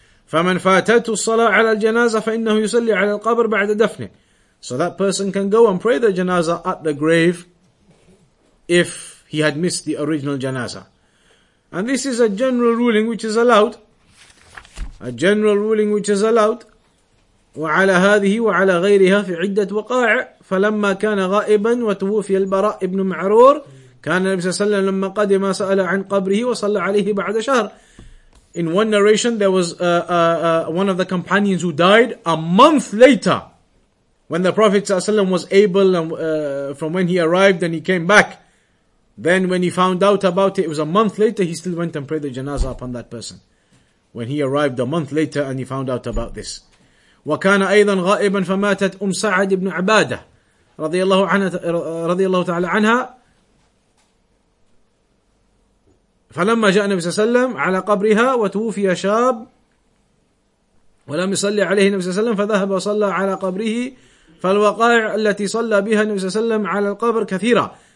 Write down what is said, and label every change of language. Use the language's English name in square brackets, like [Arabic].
[Arabic] فَمَنْ فَاتَتُ الصَّلَاةَ عَلَى الْجَنَازَةِ فَإِنَّهُ يُسَلِّ عَلَى الْقَبْرِ بَعْدَ دَفْنِ [English] So that person can go and pray the janazah at the grave if he had missed the original janazah. And this is a general ruling which is allowed. A general ruling which is allowed. [Arabic] وعلى هذه وعلى غيرها في عدة وقائع فلما كان غائبا وتوفي البراء ابن معرور كان النبي صلى الله عليه وسلم لما قدم سأل عن قبره وصلى عليه بعد شهر. [English] In one narration, there was one of the companions who died a month later, when the Prophet صلى الله عليه وسلم was able and, from when he arrived and he came back. Then when he found out about it, it was a month later, he still went and prayed the janazah upon that person. When he arrived a month later and he found out about this. [Arabic] وَكَانَ أَيْضًا غَائِبًا فَمَاتَتْ أُمْ سَعَدْ بْنُ عَبَادَةً رضي الله تعالى عنها فَلَمَّا جَاءَ النَّبِيُّ صلى الله عليه وسلم عَلَى قَبْرِهَا وَتُوفِيَ شَاب وَلَمْ يُصَلِّ عَلَيْهِ النَّبِيُّ صلى الله عليه وسلم فذهب وصلى على قبره فالوقائع التي صلى بها النَّبِيُّ صلى الله عليه وسلم على القبر كثيرة.